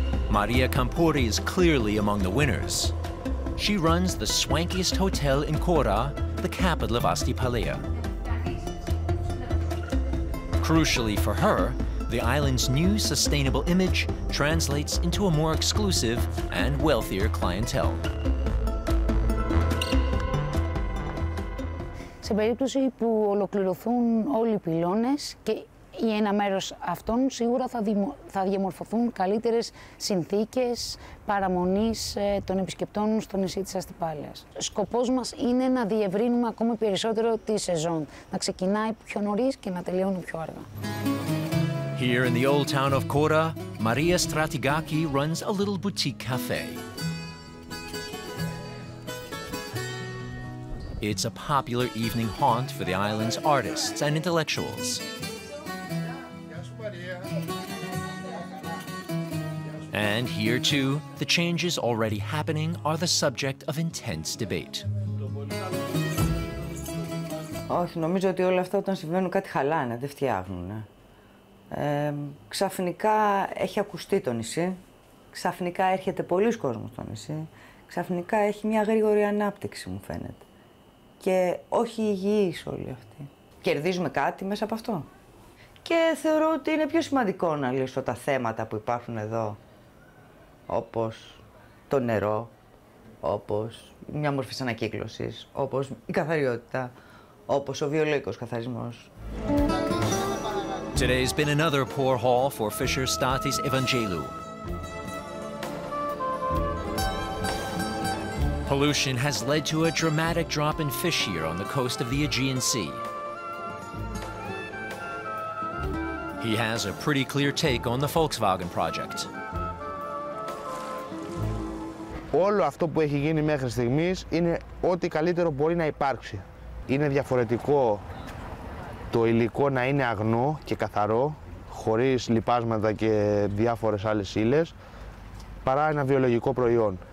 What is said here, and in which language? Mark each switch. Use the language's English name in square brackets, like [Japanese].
[English] Maria Campori is clearly among the winners. She runs the swankiest hotel in Kora, the capital of Astypalea. Crucially for her, the island's new sustainable image translates into a more exclusive and wealthier clientele. [Greek] Σε περίπτωση που ολοκληρωθούν όλοι οι πυλώνες και ή ένα μέρος αυτών, σίγουρα θα διαμορφωθούν καλύτερες συνθήκες παραμονής των επισκεπτών στο νησί της Αστυπάλαιας. Σκοπός μας είναι να διευρύνουμε ακόμη περισσότερο τη σεζόν, να ξεκινάει πιο νωρίς και να τελειώνει πιο αργά. [English] Here in the old town of Kora, Maria Stratigaki runs a little boutique cafe. It's a popular evening haunt for the island's artists and intellectuals. And here too, the changes already happening are the subject of intense debate. [Greek] Όχι, νομίζω ότι όλα αυτά όταν συμβαίνουν κάτι χαλάνε, δεν φτιάχνουν. Ξαφνικά έχει ακουστεί το νησί, ξαφνικά έρχεται πολλοί κόσμος στο νησί, ξαφνικά έχει μια γρήγορη ανάπτυξη μου φαίνεται. Και όχι υγιείς όλοι αυτοί. Κερδίζουμε κάτι μέσα από αυτό. Και θεωρώ ότι είναι πιο σημαντικό να λύσω τα θέματα που υπάρχουν εδώ. Όπως το νερό, όπως μια μορφή ανακύκλωσης, όπως η καθαριότητα, όπως ο βιολογικός καθαρισμός. [English] Today's been another poor haul for Fisher Statis Evangelou. Pollution has led to a dramatic drop in fish here on the coast of the Aegean Sea. He has a pretty clear take on the Volkswagen project. [Greek] Όλο αυτό που έχει γίνει μέχρι στιγμής είναι ό,τι καλύτερο μπορεί να υπάρξει. Είναι διαφορετικό το υλικό να είναι αγνό και καθαρό, χωρίς λιπάσματα και διάφορες άλλες ύλες, παρά ένα βιολογικό προϊόν.